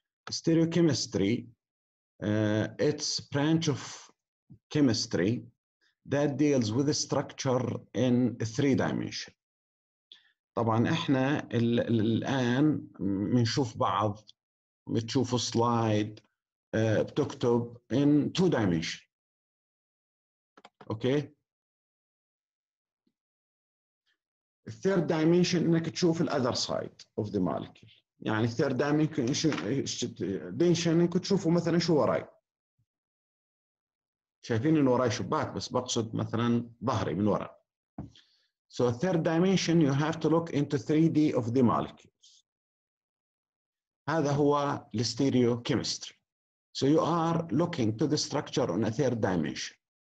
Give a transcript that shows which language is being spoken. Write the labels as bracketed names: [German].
[English] Stereochemistry, it's branch of chemistry that deals with the structure in three dimension. [Arabic] طبعاً إحنا الآن منشوف بعض، بتشوف سلايد، بتكتب [English] in two dimension. Okay. الثيرد dimension [Arabic] انك تشوف [English] الاذر side of the molecule, يعني الثيرد دايمنشن [Arabic] انك تشوفه مثلا شو وراي. شايفين ان وراي شباك، بس بقصد مثلا ظهري من ورا. [English] So third dimension you have to look into 3D of the molecules. [Arabic] هذا هو الستيريو كيمستري. [English] So you are looking to the structure on a third dimension.